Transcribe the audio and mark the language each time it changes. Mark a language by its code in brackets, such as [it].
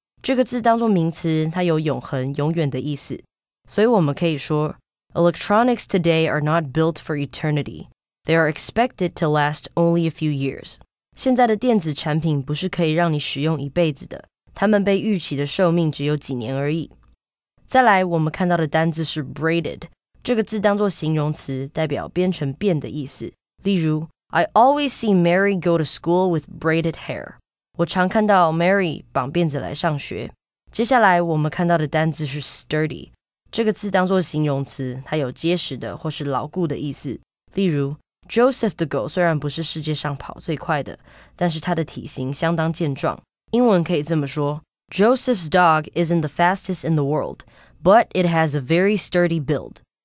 [zh] 这个字当作名词，它有永恒、永远的意思。所以我们可以说 [en] Electronics today are not built for eternity. They are expected to last only a few years. [zh] 现在的电子产品不是可以让你使用一辈子的，它们被预期的寿命只有几年而已。再来，我们看到的单字是 braided. 这个字当作形容词，代表编成辫的意思。例如 [en] ，I always see Mary go to school with braided hair. [zh] 我常看到 Mary 绑辫子来上学。接下来，我们看到的单字是 sturdy. 这个字当作形容词，它有结实的或是牢固的意思。例如 ，Joseph 的狗虽然不是世界上跑最快的，但是它的体型相当健壮。英文可以这么说 [en] ：Joseph's dog isn't the fastest in the world, but it has a very sturdy build.